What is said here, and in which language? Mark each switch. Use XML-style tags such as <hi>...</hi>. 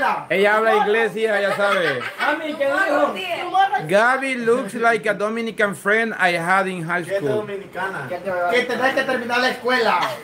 <es>Ella habla inglés, hija, ya sabe.</es> <en>Gaby looks like a Dominican friend I had in high school.</en> <es>Que tendrás que terminar la escuela.</es>